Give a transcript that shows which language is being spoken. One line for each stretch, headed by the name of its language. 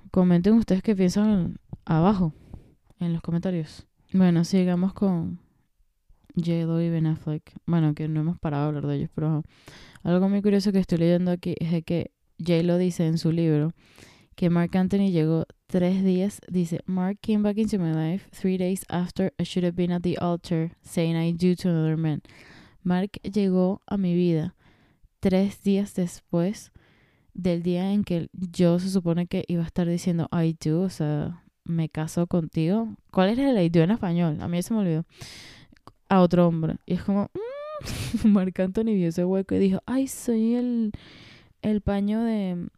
Spanish: Comenten ustedes qué piensan abajo, en los comentarios. Bueno, sigamos con J-Lo y Ben Affleck. Bueno, que no hemos parado de hablar de ellos, pero algo muy curioso que estoy leyendo aquí es de que J-Lo dice en su libro que Mark Anthony llegó 3 días.
English: Dice: Mark came back into my life 3 days after I should have been at the altar saying I do to another man.
Spanish: Mark llegó a mi vida 3 días después del día en que yo se supone que iba a estar diciendo I do, o sea, me caso contigo. ¿Cuál era el I do en español? A mí se me olvidó. A otro hombre. Y es como, Marc Anthony vio ese hueco y dijo, ay, soy el paño de...